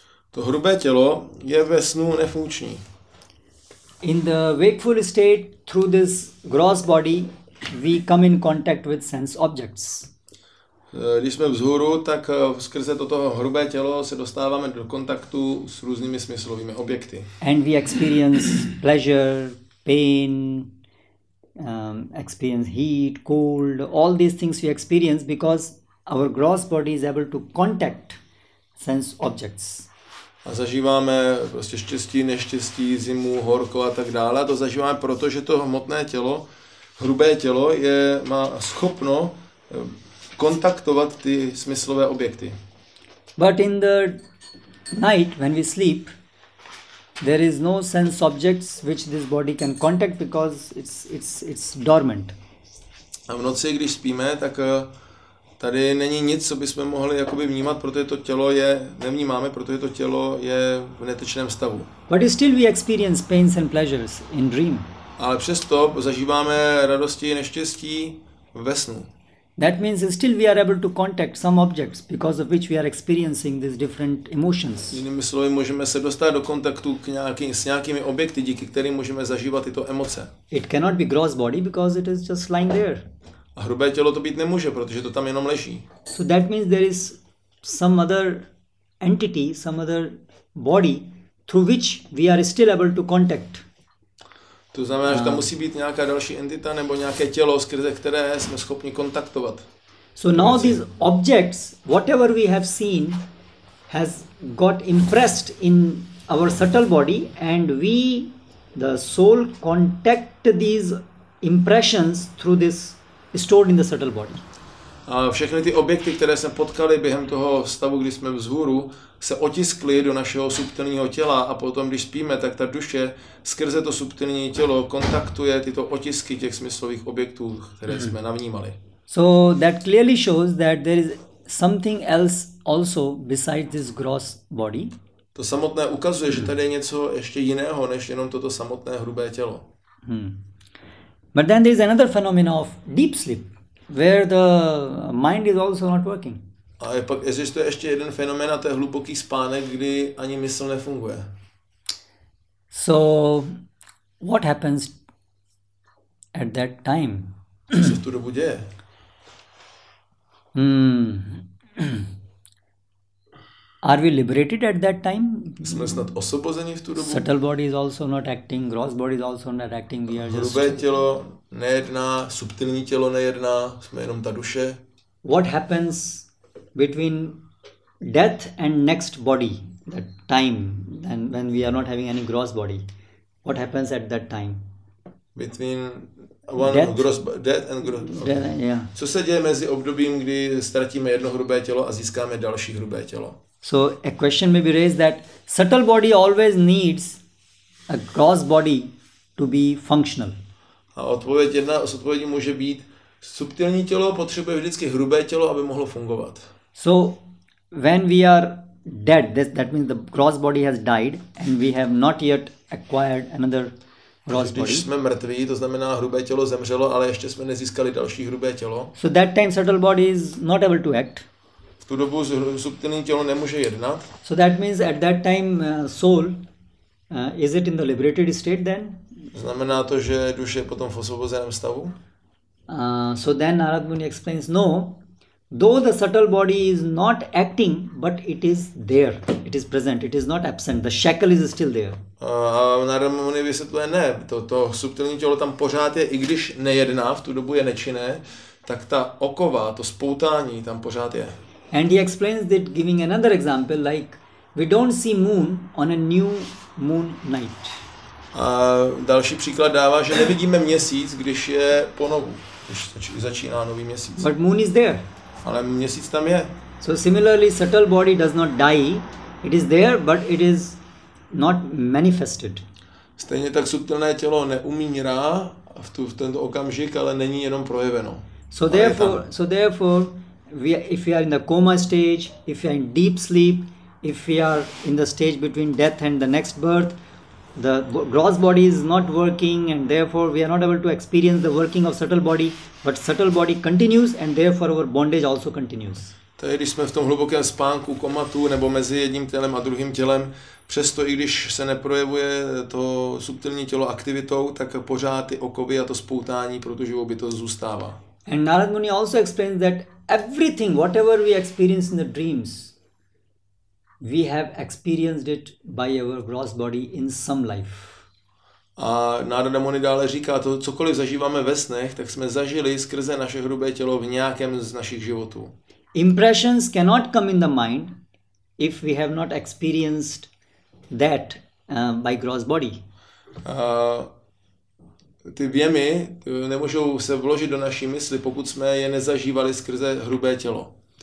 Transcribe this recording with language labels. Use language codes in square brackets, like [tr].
[cs] To hrubé tělo je ve snu nefunkční. [en] In the wakeful state, through this gross body, we come in contact with sense objects. [cs] Když jsme vzhůru, tak skrze toto hrubé tělo se dostáváme do kontaktu s různými smyslovými objekty. [en] And we experience pleasure, pain, experience heat, cold, all these things we experience because our gross body is able to contact sense objects. [cs] A zažíváme prostě štěstí, neštěstí, zimu, horko a tak dále. To zažíváme proto, že to hmotné tělo, hrubé tělo, má schopno kontaktovat ty smyslové objekty. [en] But in the night when we sleep, there is no sense objects which this body can contact because it's dormant. [cs] A v noci, když spíme, tak tady není nic, co bychom mohli jakoby vnímat, protože to tělo je nevnímáme, protože to tělo je v netečném stavu. [en] But still we experience pains and pleasures in dream. [cs] Ale přesto zažíváme radosti a neštěstí ve snu. [en] That means still we are able to contact some objects because of which we are experiencing these different emotions. [cs] Jinými slovy, můžeme se dostat do kontaktu s nějakými objekty, díky kterým můžeme zažívat tyto emoce. [en] It cannot be gross body because it is just lying there. [cs] A hrubé tělo to být nemůže, protože to tam jenom leží. [en] So that means there is some other entity, some other body through which we are still able to contact. [cs] To znamená, že tam musí být nějaká další entita nebo nějaké tělo, skrze které jsme schopni kontaktovat. [en] So now these objects, whatever we have seen, has got impressed in our subtle body and we, the soul, contact these impressions through this stored in the subtle body. [cs] A všechny ty objekty, které jsme potkali během toho stavu, kdy jsme vzhůru, se otiskly do našeho subtilního těla a potom, když spíme, tak ta duše skrze to subtilní tělo kontaktuje tyto otisky těch smyslových objektů, které jsme navnímali. [en] So that clearly shows that there is something else also besides this gross body. [cs] To samotné ukazuje, že tady je něco ještě jiného, než jenom toto samotné hrubé tělo. [en] But then there is another phenomenon of deep sleep, where the mind is also not working. [cs] A pak existuje ještě jeden fenomén, a to je hluboký spánek, kdy ani mysl nefunguje. [en] So, what happens at that time? [cs] Co se v tu dobu děje? [en] Are we liberated at that time? [cs] Jsme snad osvobozeni v tu dobu? [en] Subtle body is also not acting, gross body is also not acting. We are [cs] hrubé tělo nejedná, subtilní tělo nejedná, jsme jenom ta duše. [en] What happens between death and next body, that time, and when we are not having any gross body? What happens at that time? Between one death, death and gross. Okay. [cs] Co se děje mezi obdobím, kdy ztratíme jedno hrubé tělo a získáme další hrubé tělo? [en] So a question may be raised that subtle body always needs a gross body to be functional. [cs] A odpověď jedna z odpovědí může být, subtilní tělo potřebuje vždycky hrubé tělo, aby mohlo fungovat. [en] So when we are dead, that means the gross body has died and we have not yet acquired another gross body. [cs] Když jsme mrtví, to znamená hrubé tělo zemřelo, ale ještě jsme nezískali další hrubé tělo. [en] So that time subtle body is not able to act. [cs] Tu dobu subtilní tělo nemůže jednat. [en] So that means at that time soul, is it in the liberated state then? [cs] Znamená to, že duše je potom v osvobozeném stavu? [en] So then Narad Muni explains, no, Though the subtle body is not acting, but it is there. It is present. It is not absent. The shackle is still there. [cs] A Narada Muni vysvětluje, ne, to subtilní tělo tam pořád je, i když nejedná, v tu dobu je nečinné, tak ta okova, to spoutání tam pořád je. [en] And he explains that giving another example, like we don't see moon on a new moon night. [cs] A další příklad dává, že nevidíme měsíc, když je po novu, když začíná nový měsíc. [en] But moon is there. [cs] Ale měsíc tam je. [en] So similarly, subtle body does not die. It is there, but it is not manifested. [cs] Stejně tak subtilné tělo neumírá v tento okamžik, ale není jenom projeveno. [en] So therefore, if we are in the coma stage, if we are in deep sleep, if we are in the stage between death and the next birth, the gross body is not working, and therefore we are not able to experience the working of subtle body. But subtle body continues, and therefore our bondage also continues. [cs] Tedy když jsme v tom hlubokém spánku, komatu, nebo mezi jedním tělem a druhým tělem, přesto i když se neprojevuje to subtilní tělo aktivitou, tak pořád ty okovy a to spoutání pro tu živou bytost zůstává. [en] And Narada Muni also explains that everything, whatever we experience in the dreams, we have experienced it by our gross body in some life. [cs] A Narada Muni dále říká, to cokoliv zažíváme ve snech, tak jsme zažili skrze naše hrubé tělo v nějakém z našich životů. [en] Impressions cannot come in the mind if we have not experienced that by gross body. [cs] Ty věmy nemůžou se vložit do naší mysli, pokud jsme je nezažívali skrze hrubé tělo.